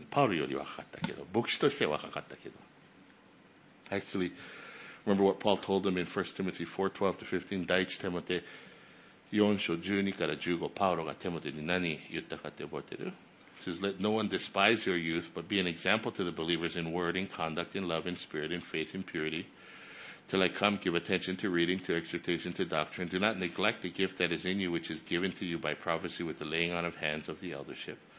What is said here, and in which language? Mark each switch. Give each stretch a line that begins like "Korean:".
Japanese: でもテモテもすごく若かったんだけど、パウルより若かったけど、牧師として若かったけど。
English: Actually, remember what Paul told him in 1 Timothy 4, 12-15,
Japanese: 第一テモテ4章12から15、パウロがテモテに何言ったかって覚えてる?
English: It says, let no one despise your youth, but be an example to the believers in word, in conduct, in love, in spirit, in faith, in purity. Till I come, give attention to reading, to exhortation, to doctrine. Do not neglect the gift that is in you, which is given to you by prophecy with the laying on of hands of the eldership.